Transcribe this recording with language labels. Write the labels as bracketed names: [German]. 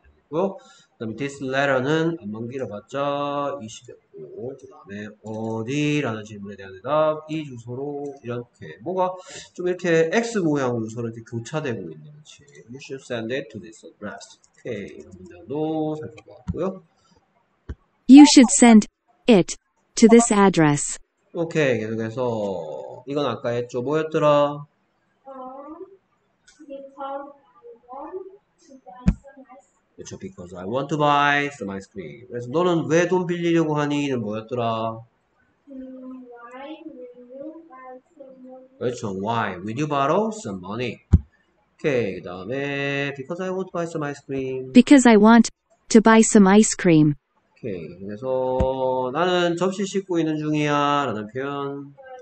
[Korean] 그리고 그다음에 [English] this letter [Korean] 는 안만 길어봤자 20이었고, 그다음에 어디라는 질문에 대한 대답 이 주소로 이렇게 뭐가 좀 이렇게 X 모양 문서로 이렇게 교차되고 있는 거지. [English] You should send it to this address. [Korean] 오케이, 이런 문장도 살펴보았고요. [English] You should send it to this address. [Korean] 오케이, 계속해서 이건 아까 했죠. 뭐였더라? [English] Because I want to [Korean] 그쵸, [English] because I want to buy some ice cream. [Korean] 그래서 너는 왜돈 빌리려고 하니? 는 뭐였더라? [English] Why would you borrow some money? [Korean] 오케이, 그 다음에 [English] because I want to buy some ice cream. Because I want to buy some ice cream. [Korean] 오케이, 그래서 나는 접시 씻고 있는 중이야 라는 표현.